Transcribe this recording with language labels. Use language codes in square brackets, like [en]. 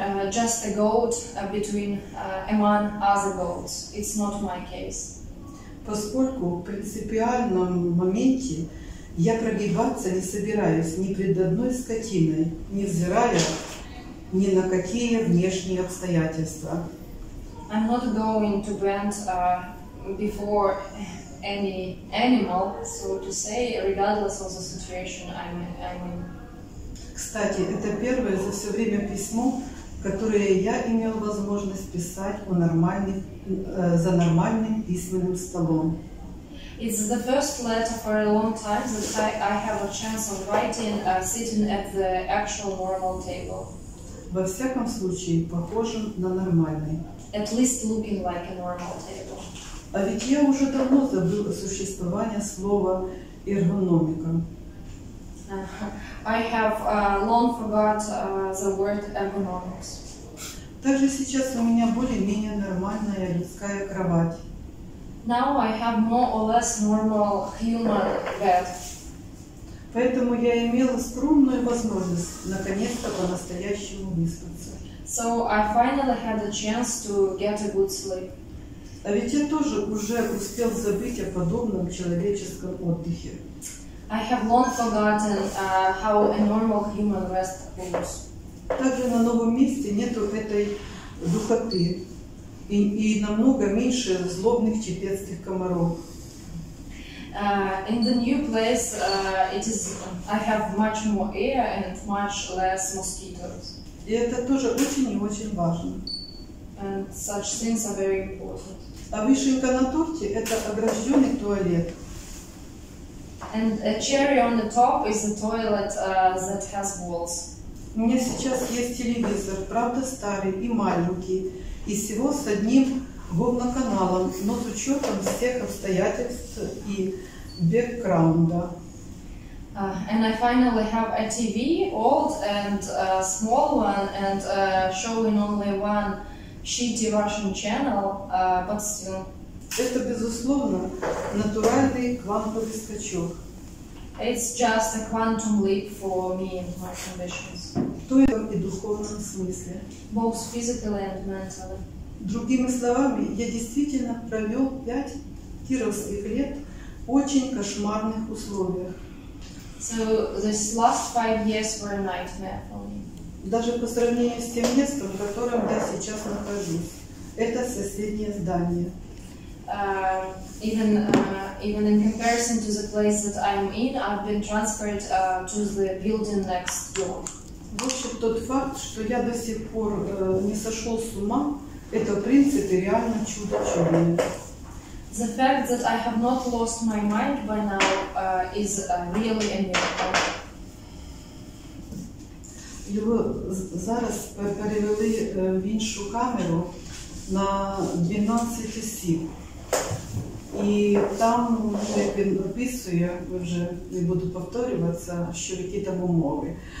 [en] Just a goat between among other goats. It's not my case. [ru] Поскольку в принципиальном моменте я прогибаться не собираюсь ни пред одной скотиной, невзирая ни на какие внешние обстоятельства. [en] I'm not going to bend before any animal, so to say, regardless of the situation I'm in. [ru] Кстати, это первое за все время письмо, которое я имел возможность писать за нормальным письменным столом. [en] It's the first letter for a long time that I have a chance of writing sitting at the actual normal table. [ru] Во всяком случае, похожим на нормальный. [en] At least looking like a normal table. [ru] А ведь я уже давно забыл о существовании слова эргономика. [en] I have long forgot the word ergonomics. [ru] Также сейчас у меня более-менее нормальная людская кровать. [en] Now I have more or less normal human bed. [ru] Поэтому я имела скромную возможность наконец-то по-настоящему выспаться. [en] So I finally had a chance to get a good sleep. [ru] А ведь я тоже уже успел забыть о подобном человеческом отдыхе. [en] I have long forgotten how a normal human rest goes. [ru] Также на новом месте нету этой духоты и намного меньше злобных чепецких комаров. [en] In the new place I have much more air and much less mosquitoes. [ru] И это тоже очень и очень важно. [en] And such things are very important. [ru] А вишенка на торте – это огражденный туалет. [en] And a cherry on the top is a toilet that has walls. [ru] У меня сейчас есть телевизор, правда старый и маленький, и всего с одним говноканалом, но с учетом всех обстоятельств и бэкграунда. [en] And I finally have a TV, old and a small one, and showing only one shitty Russian channel, but still. [ru] Это, безусловно, натуральный квантовый скачок. [en] It's just a quantum leap for me and my conditions. [ru] В твоем и духовном смысле. [en] Both physically and mentally. [ru] Другими словами, я действительно провел 5 кировских лет в очень кошмарных условиях. [en] So this last 5 years were a nightmare for me. [ru] Даже по сравнению с тем местом, в котором я сейчас нахожусь. Это соседнее здание. [en] Even in comparison to the place that I'm in, I've been transferred to the building next door. [ru] В общем, тот факт, что я до сих пор не сошел с ума, это в принципе реально чудо чудное. [en] The fact that I have not lost my mind by now is really a miracle. [uk] Його зараз перевели в іншу камеру на 12 осіб. І там він описує, вже не буду повторюватися, що які там умови.